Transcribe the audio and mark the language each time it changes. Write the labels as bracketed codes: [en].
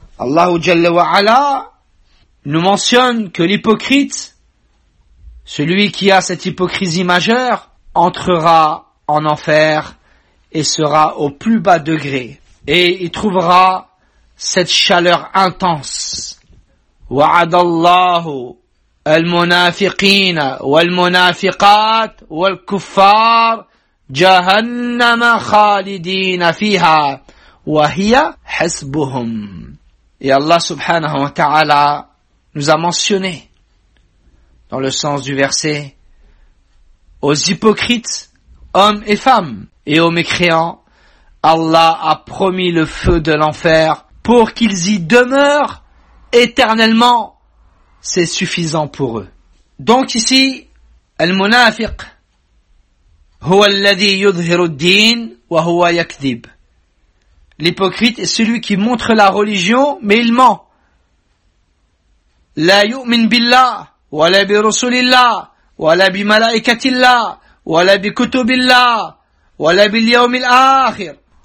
[fr] Allahu Jalla wa Ala nous mentionne que l'hypocrite, celui qui a cette hypocrisie majeure, entrera en enfer et sera au plus bas degré. Et il trouvera cette chaleur intense. [ar] وعد الله المنافقين والمنافقات والكفار جهنم خالدين فيها وهي حسبهم. [fr] Et Allah subhanahu wa ta'ala nous a mentionné dans le sens du verset aux hypocrites, hommes et femmes, et aux mécréants, Allah a promis le feu de l'enfer pour qu'ils y demeurent éternellement. C'est suffisant pour eux. Donc ici, [ar] المنافق هو الذي يظهر الدين وهو يكذب. [fr] L'hypocrite est celui qui montre la religion, mais il ment. [ar] لا يؤمن بالله ولا برسول الله ولا بملائكة الله ولا بكتب الله ولا باليوم الآخر.